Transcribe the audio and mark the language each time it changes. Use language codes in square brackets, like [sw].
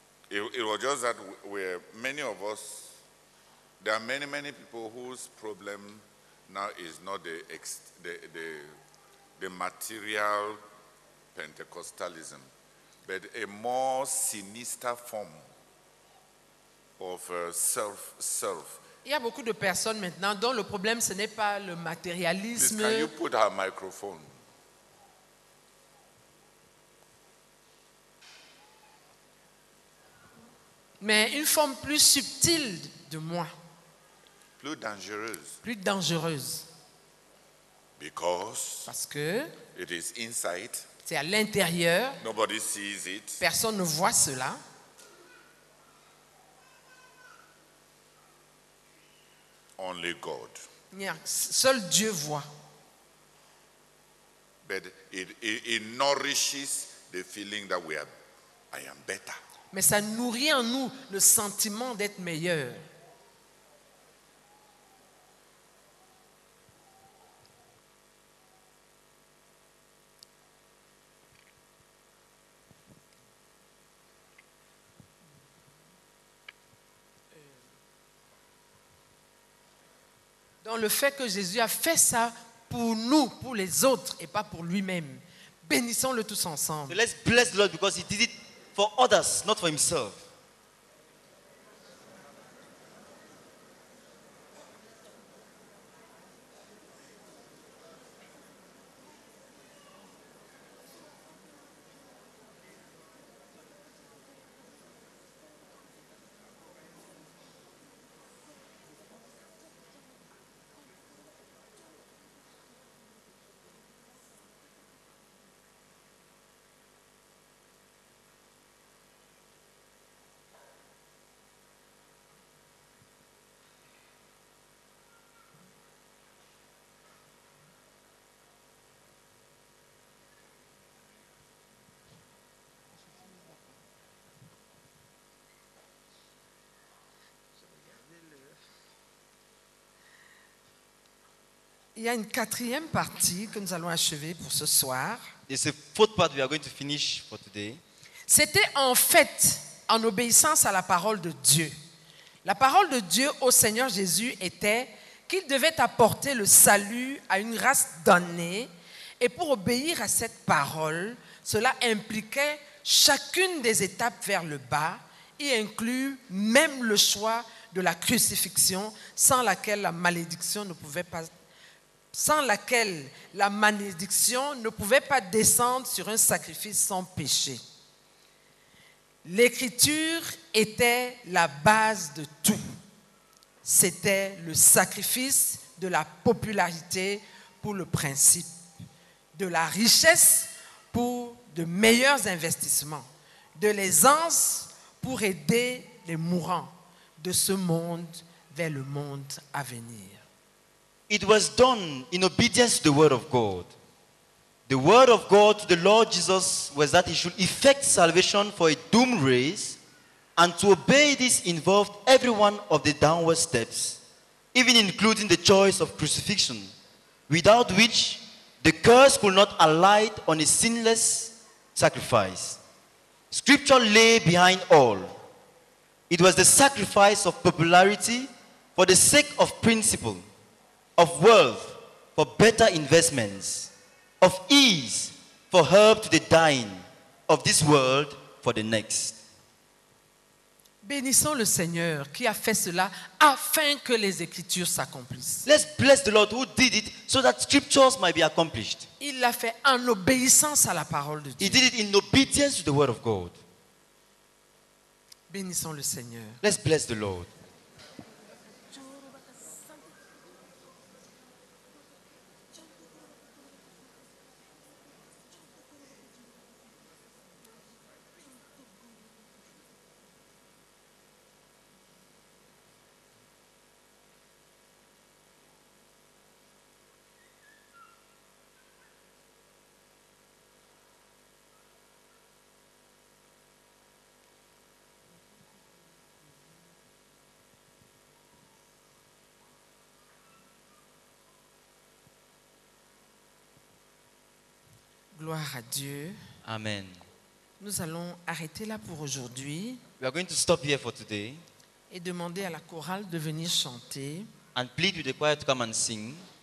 [en] It was just that we're many of us. There are many, many people whose problem now is not the material Pentecostalism, but a more sinister form of self. [fr] Il y a beaucoup de personnes maintenant dont le problème ce n'est pas le matérialisme. [en] Please, can you put our microphone? [fr] Mais une forme plus subtile de moi. Plus dangereuse. Plus dangereuse. [en] Because [fr] parce que [en] it is inside. [fr] C'est à l'intérieur. [en] Nobody sees it. [fr] Personne ne voit cela. [en] Only God. [fr] Seul Dieu voit. [en] But it nourishes the feeling that I am better. [fr] Mais ça nourrit en nous le sentiment d'être meilleur. Dans le fait que Jésus a fait ça pour nous, pour les autres et pas pour lui-même. Bénissons-le tous ensemble. [en] Let's bless the Lord because he did it for others, not for himself. [fr] Il y a une quatrième partie que nous allons achever pour ce soir. [en] It's the fourth part we are going to finish for today. [fr] C'était en fait en obéissance à la parole de Dieu. La parole de Dieu au Seigneur Jésus était qu'il devait apporter le salut à une race damnée. Et pour obéir à cette parole, cela impliquait chacune des étapes vers le bas, y inclut même le choix de la crucifixion sans laquelle la malédiction ne pouvait pas sans laquelle la malédiction ne pouvait pas descendre sur un sacrifice sans péché. L'Écriture était la base de tout. C'était le sacrifice de la popularité pour le principe, de la richesse pour de meilleurs investissements, de l'aisance pour aider les mourants de ce monde vers le monde à venir. [en] It was done in obedience to the word of God. The word of God to the Lord Jesus was that he should effect salvation for a doomed race, and to obey this involved every one of the downward steps, even including the choice of crucifixion, without which the curse could not alight on a sinless sacrifice. Scripture lay behind all. It was the sacrifice of popularity for the sake of principle. Of wealth for better investments, of ease for help to the dying, of this world for the next. [fr] Bénissons le Seigneur qui a fait cela afin que les Écritures s'accomplissent. [en] Let's bless the Lord who did it so that Scriptures might be accomplished. [fr] Il l'a fait en obéissance à la parole de Dieu. [en] He did it in obedience to the word of God. [fr] Bénissons le Seigneur. [en] Let's bless the Lord. [fr] Gloire à Dieu. Amen. Nous allons arrêter là pour aujourd'hui. [en] We are going to stop here for today. [fr] Et demander à la chorale de venir chanter. [en] And plead with the choir to come and sing.